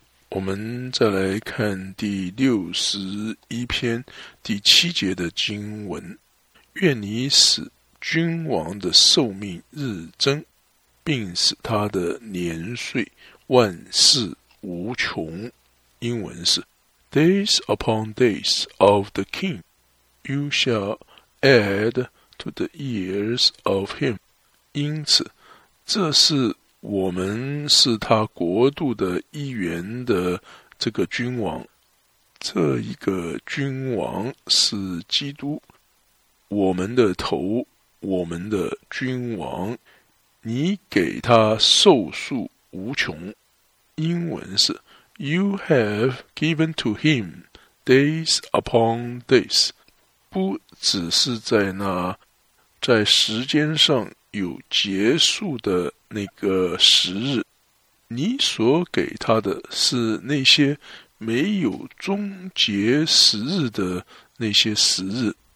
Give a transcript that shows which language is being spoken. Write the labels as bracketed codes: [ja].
[zh] 我们再来看第61篇第7节的经文，愿你使君王的寿命日增，并使他的年岁万事无穷。英文是 [en] Days upon days of the king, you shall add to the years of him. [zh] 因此，这是我们是他国度的一员的这个君王，这一个君王是基督，我们的头，我们的君王，你给他寿数无穷。英文是 [en] You have given to him days upon days. [zh] 不只是在那在时间上有结束的那个时日，你所给他的是那些没有终结时日的那些时日。